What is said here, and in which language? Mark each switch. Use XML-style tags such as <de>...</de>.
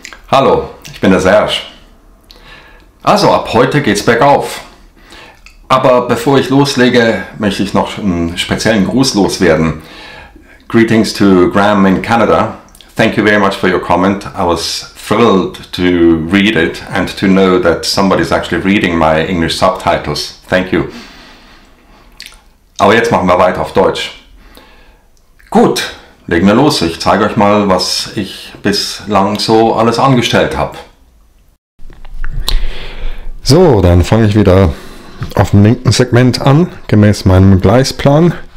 <de>Hallo, ich bin der Serge. Also, ab heute geht's bergauf. Aber bevor ich loslege, möchte ich noch einen speziellen Gruß loswerden.</de> <en>Greetings to Graham in Canada. Thank you very much for your comment. I was thrilled to read it and to know that somebody's actually reading my English subtitles. Thank you.</en> <de>Aber jetzt machen wir weiter auf Deutsch. Gut. Legen wir los, ich zeige euch mal, was ich bislang so alles angestellt habe. So, dann fange ich wieder auf dem linken Segment an, gemäß meinem Gleisplan.</de>